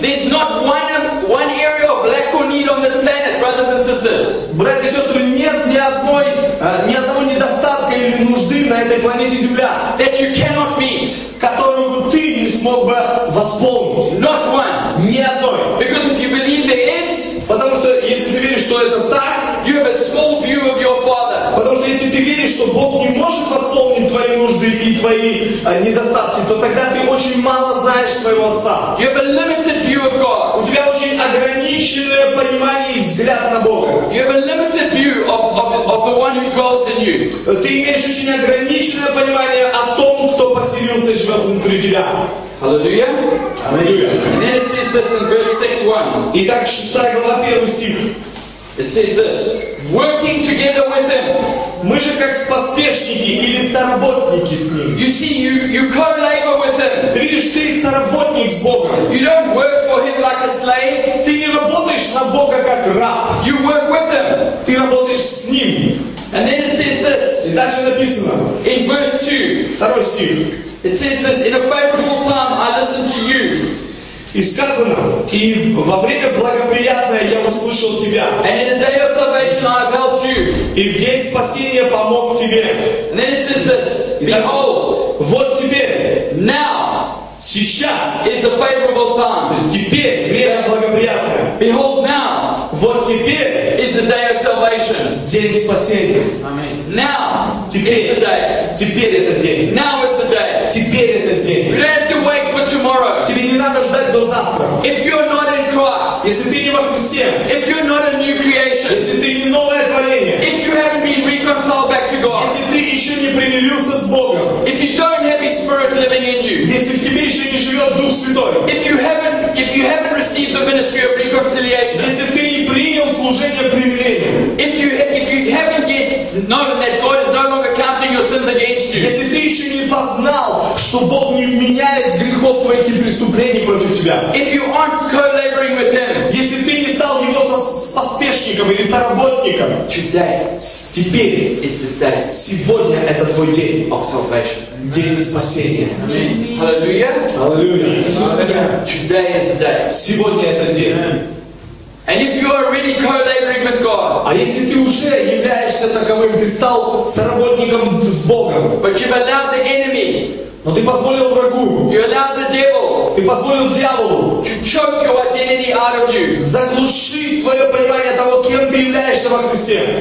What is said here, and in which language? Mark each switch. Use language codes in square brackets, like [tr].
[en] There's not one area of lack or need on this planet, brothers and sisters. [ru] Братья и сестры, нет ни одного недостатка или нужды на этой планете Земля, [en] that you cannot meet, [ru] которую бы ты не смог бы восполнить. [en] Not one. [ru] Ни одной. [en] Because if you believe there is, [ru] потому что если ты веришь, что это так, [en] you have a small view of your father. [ru] Потому что если ты веришь, что Бог не может восполнить твои нужды и твои недостатки, то тогда ты очень мало знаешь своего отца. [en] You have a limited view of God. [ru] У тебя очень ограниченное понимание и взгляд на Бога. [en] You have a limited view of the one who dwells in you. [ru] Ты имеешь очень ограниченное понимание о том, кто поселился и живет внутри тебя. Аллилуйя. Аллилуйя. [en] And then it says this in verse 6:1. [ru] Итак, 6 глава, 1 стих. [en] It says this. Working together with him. [ru] Мы же как поспешники или соработники с ним. [en] You see, you co-labor with him. [ru] Ты видишь, ты соработник с Богом. [en] You don't work for him like a slave. [ru] Ты не работаешь на Бога как раб. [en] You work with him. [ru] Ты работаешь с ним. [en] And then it says this. [ru] И дальше написано. [en] In verse 2. [ru] Второй стих. [en] It says this. In a favorable time, I listen to you. [ru] И сказано, и во время благоприятное я услышал тебя. [en] And in the day of salvation I have helped you. [ru] И в день спасения помог тебе. [en] And then it says this. Behold. [ru] Вот теперь. [en] Now. [ru] Сейчас. [en] Is the favorable time. [ru] Теперь время благоприятное. [en] Behold now. [ru] Вот теперь. [en] Is the day of salvation. [ru] День спасения. [en] Amen. Now. [ru] Теперь. [en] Is the day. [ru] Теперь этот день. [en] Now is the day. [ru] Теперь этот день. [en] We don't have to wait for tomorrow. [ru] Тебе не надо ждать до завтра. [en] If you are not in Christ. [ru] Если ты не во Христе. [en] If you are not a new creation. [ru] Если ты не новое творение. [en] If you haven't been reconciled back to God. [ru] Если ты еще не примирился с Богом. [en] If you don't have His Spirit living in you. [ru] Если в тебе еще не живет Дух Святой. [en] If you haven't received the ministry of reconciliation. [ru] Если ты не принял служение примирения. [en] If you haven't yet known that God is no longer counting your sins against you. [ru] Если ты еще не познал, что Бог не вменяет грехов твоих и преступлений против тебя. [en] If you aren't co-laboring with Him. [ru] Если ты не стал Его поспешником или соработником. [en] Today. С [ru] Теперь, [en] is the day. [ru] Сегодня это твой день. [en] Of salvation. [ru] День спасения. [en] Hallelujah. Hallelujah. Today is the day. [ru] Сегодня это день. Amen. [en] And if you are really co-laboring with God, [ru] а если ты уже являешься таковым, ты стал соработником с Богом, [en] but you've allowed the enemy, [ru] но ты позволил врагу, [en] you allowed the devil, [ru] ты позволил дьяволу, [en] to choke your identity out of you, [ru] заглушить твое понимание того, кем ты являешься во Христе,